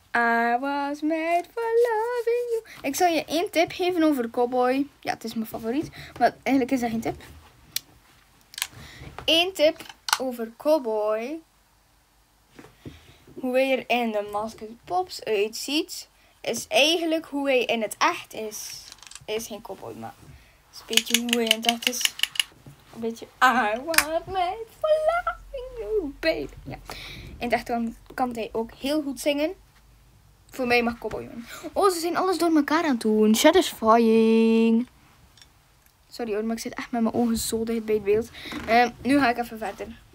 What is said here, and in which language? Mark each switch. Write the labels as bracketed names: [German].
[English] I was made for loving you. [Dutch] Ik zal je één tip geven over Cowboy. Ja, het is mijn favoriet. Maar eigenlijk is dat geen tip. Eén tip over Cowboy. Hoe hij er in de Masked Pops uitziet. Is eigenlijk hoe hij in het echt is. Is geen Cowboy, maar... Het is een beetje hoe hij in het echt is. Een beetje... [English] I was made for loving you, baby. Ja. [Dutch] In de echte kan hij ook heel goed zingen. Voor mij mag Cowboy. Oh, ze zijn alles door elkaar aan het doen. Satisfying. Sorry hoor, maar ik zit echt met mijn ogen zo dicht bij het beeld. Nu ga ik even verder.